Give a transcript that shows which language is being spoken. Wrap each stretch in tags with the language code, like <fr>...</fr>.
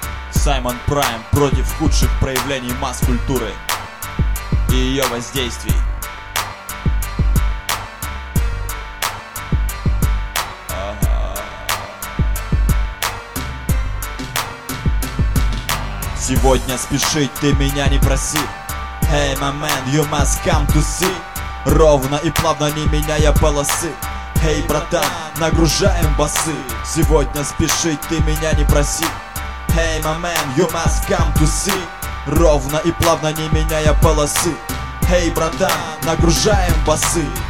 <ru>Саймон Прайм против худших проявлений масс-культуры и ее воздействий. Сегодня спешить ты меня не проси.</ru> <en>Hey my man, you must come to see.</en> <ru>Ровно и плавно не меняя полосы. Hey братан, нагружаем басы. Сегодня спешить ты меня не проси.</ru> <en>Hey my man, you must come to see.</en> <ru>Ровно и плавно не меняя полосы. Hey братан, нагружаем басы.</ru>